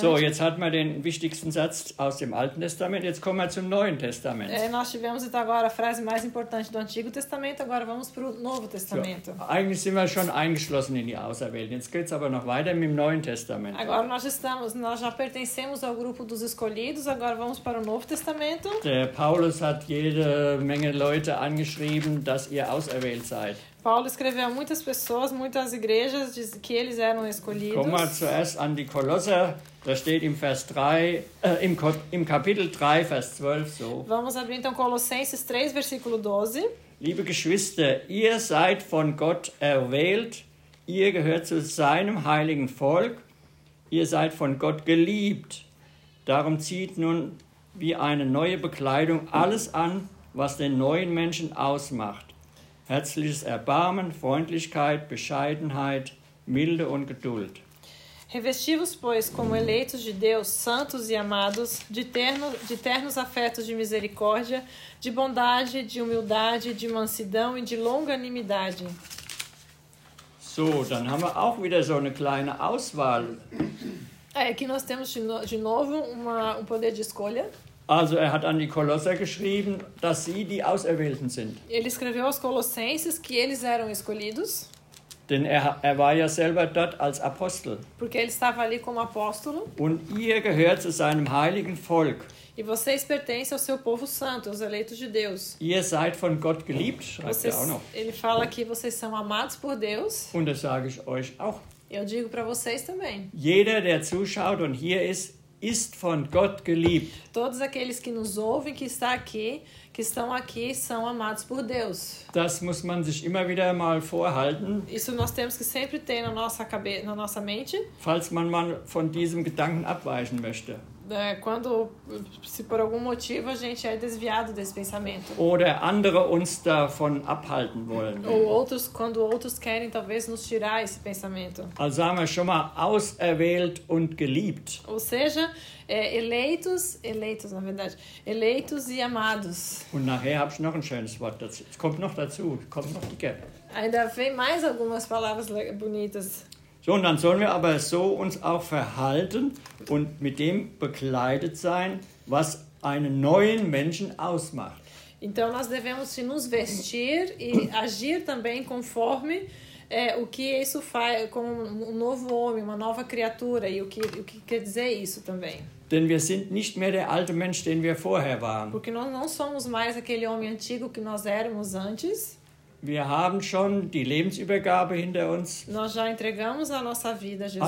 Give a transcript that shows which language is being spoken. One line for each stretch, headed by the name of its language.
German: So, jetzt hat man den wichtigsten Satz aus dem Alten Testament. Jetzt kommen wir zum Neuen Testament.
Portuguese: Nós tivemos então agora a frase mais importante do Antigo Testamento. Agora vamos para o Novo Testamento.
German: So, eigentlich sind wir schon eingeschlossen in die Auserwählten. Jetzt geht's aber noch weiter mit dem Neuen Testament.
Portuguese: Agora nós já pertencemos ao grupo dos escolhidos. Agora vamos para o Novo Testamento.
German: Der Paulus hat jede Menge Leute angeschrieben, dass ihr auserwählt seid.
Portuguese: Paulo escreveu a muitas pessoas, muitas igrejas, que eles eram escolhidos.
German: Komm mal zuerst an die Kolosser, da steht im Vers 3, im Kapitel 3, Vers 12, so.
Portuguese: Vamos abrir então Colossenses 3, versículo 12.
German: Liebe Geschwister, ihr seid von Gott erwählt, ihr gehört zu seinem heiligen Volk, ihr seid von Gott geliebt. Darum zieht nun wie eine neue Bekleidung alles an, was den neuen Menschen ausmacht. Herzliches Erbarmen, Freundlichkeit, Bescheidenheit, Milde und Geduld.
Portuguese: Revesti-vos, pois, como eleitos de Deus, santos e amados, de ternos afetos de misericórdia, de bondade, de humildade, de mansidão e de longanimidade.
German: So, dann haben wir auch wieder so eine kleine Auswahl.
Portuguese: Aqui nós temos de novo um poder de escolha.
German: Also er hat an die Kolosser geschrieben, dass sie die Auserwählten sind.
Portuguese: Ele escreveu aos Colossenses que eles eram escolhidos.
German: Denn er war ja selber dort als Apostel.
Portuguese: Porque ele estava ali como apóstolo.
German: Und ihr gehört zu seinem heiligen Volk.
Portuguese: E vocês pertencem ao seu povo santo, aos eleitos de Deus.
German: Ihr seid von Gott geliebt, schreibt er auch noch.
Portuguese: Ele fala que vocês são amados por Deus.
German: Und das sage ich euch auch.
Portuguese: Eu digo para vocês também.
German: Jeder, der zuschaut und hier ist, ist von Gott geliebt.
Portuguese: Todos aqueles que nos ouvem, que estão aqui, são amados por Deus.
German: Das muss man sich immer wieder mal vorhalten.
Portuguese: Isso nós temos que sempre ter na nossa mente.
German: Falls man mal von diesem Gedanken abweichen möchte.
Portuguese: Quando, se por algum motivo a gente é desviado desse pensamento.
German: Oder andere uns davon abhalten wollen.
Portuguese: Ou outros, quando outros querem talvez nos tirar esse pensamento.
German: Also haben wir schon mal auserwählt und geliebt.
Portuguese: Ou seja, eleitos e amados.
German: Und nachher habe ich noch ein schönes Wort dazu. Es kommt noch dazu, kommt noch die Gap.
Portuguese: Ainda vem mais algumas palavras bonitas.
German: So, und dann sollen wir aber so uns auch verhalten und mit dem bekleidet sein, was einen neuen Menschen ausmacht.
Portuguese: Então nós devemos nos vestir e agir também conforme o que isso faz como novo homem, uma nova criatura e o que quer dizer isso também.
German: Denn wir sind nicht mehr der alte Mensch, den wir vorher waren.
Portuguese: Porque nós não somos mais aquele homem antigo que nós éramos antes.
German: Wir haben schon die Lebensübergabe hinter uns.
Portuguese: Nós já entregamos a nossa vida a Jesus.